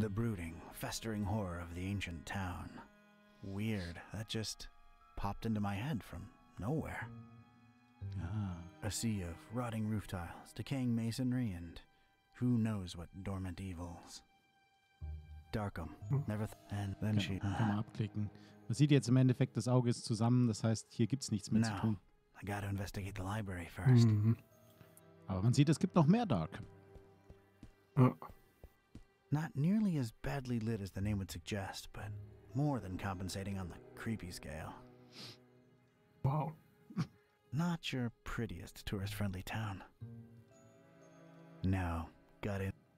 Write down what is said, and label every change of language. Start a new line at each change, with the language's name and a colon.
English: The brooding, festering horror of the ancient town. weird. That just popped into my head from nowhere. A sea of rotting roof tiles, decaying masonry, and who knows what dormant evils. Darkum.
German: Man sieht jetzt im Endeffekt, das Auge ist zusammen, das heißt, hier gibt's nichts mehr zu tun.
English: I gotta investigate the library first. Mm-hmm.
German: Aber man sieht, es gibt noch mehr Darkum.
English: Not nearly as badly lit as the name would suggest, but more than compensating on the creepy scale. Wow. Not your prettiest tourist-friendly town. No, got it.